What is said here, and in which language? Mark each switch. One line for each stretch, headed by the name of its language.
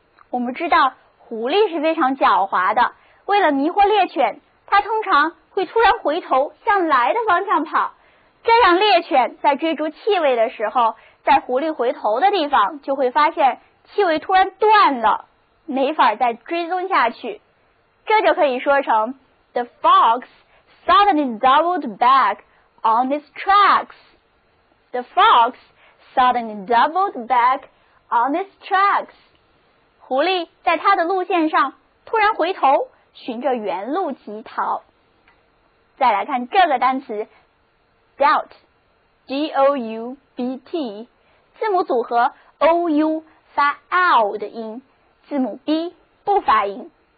Chinese: 我们知道狐狸是非常狡猾的，为了迷惑猎犬，它通常会突然回头向来的方向跑，这样猎犬在追逐气味的时候，在狐狸回头的地方就会发现气味突然断了，没法再追踪下去。这就可以说成
English: The fox suddenly doubled back on its tracks. The fox suddenly doubled back on its tracks.
Chinese: 狐狸在它的路线上突然回头，循着原路急逃。再来看这个单词Doubt， D-O-U-B-T， 字母组合 O-U 发 O 的音，字母 B 不发音。